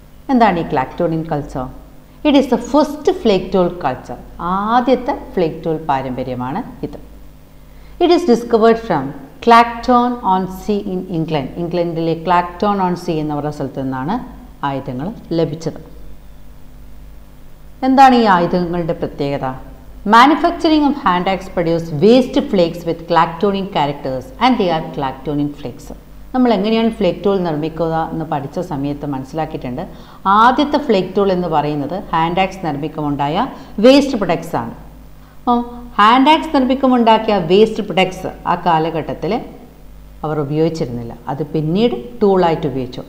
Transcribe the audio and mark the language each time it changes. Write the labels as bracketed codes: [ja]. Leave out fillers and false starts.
[ml] എന്താണ് ഈ ക്ലാക്ടോണിയൻ culture? [en] It is the first flake tool culture. [ml] ആദ്യത്തെ ഫ്ലേക്ക് ടോൾ പാരമ്പര്യമാണ് ഇത്. [en] It is discovered from Clacton on Sea in England. [ml] ഇംഗ്ലണ്ടിലെ ക്ലാക്ടോൺ ഓൺ സീ എന്ന പറഞ്ഞ സ്ഥലത്ത് നിന്നാണ് ആയുധങ്ങൾ ലഭിച്ചത്. എന്താണ് ഈ ആയുധങ്ങളുടെ പ്രത്യേകത? [en] Manufacturing of hand axe produce waste flakes with claktonin characters and they are claktonin flakes. [ml] നമ്മൾ എങ്ങനെയാണ് ഫ്ലെക്റ്റോൾ നിർമ്മിക്കുക എന്ന് പഠിച്ച സമയത്ത് മനസ്സിലാക്കിയിട്ടുണ്ട്. ആദ്യത്തെ ഫ്ലെക്റ്റോൾ എന്ന് പറയുന്നത് ഹാൻഡ് ആക്സ് നിർമ്മിക്കുമുണ്ടായ വേസ്റ്റ് പ്രൊഡക്ട്സ് ആണ്. അപ്പം ഹാൻഡ് ആക്സ് നിർമ്മിക്കുമുണ്ടാക്കിയ വേസ്റ്റ് പ്രൊഡക്ട്സ് ആ കാലഘട്ടത്തിൽ അവർ ഉപയോഗിച്ചിരുന്നില്ല, അത് പിന്നീട് ടൂളായിട്ട് ഉപയോഗിച്ചു.